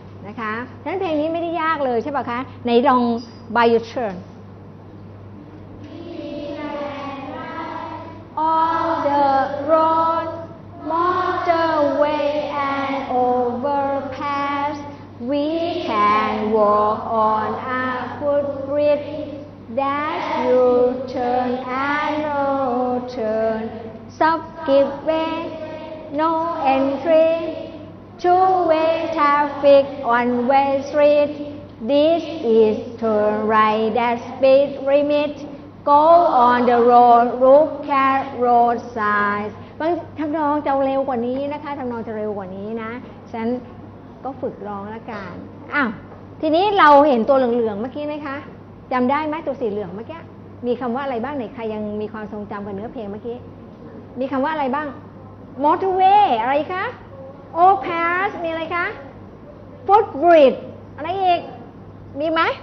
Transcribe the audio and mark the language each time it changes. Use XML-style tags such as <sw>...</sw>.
<th>นะคะฉะนั้นเพลงนี้ไม่ได้ยากเลยใช่ป่ะคะไหนลอง</th> <en>by your turn. All the road, motorway and overpass, we can walk on a footbridge. That you turn and no turn, stop giving no entry. Two-way traffic, one-way street. This is turn right at speed limit. Go on the road, look at road signs.</en> <th>บางทำนองจะเร็วกว่านี้นะคะทำนองจะเร็วกว่านี้นะฉันก็ฝึกร้องละกันอ้าวทีนี้เราเห็นตัวเหลืองๆเมื่อกี้ไหมคะจำได้ไหมตัวสีเหลืองเมื่อกี้มีคำว่าอะไรบ้างไหนใครยังมีความทรงจำกับเนื้อเพลงเมื่อกี้มีคำว่าอะไรบ้าง motorway อะไรคะ overpass มีอะไรคะ footbridge อะไรอีกมีไหม</th>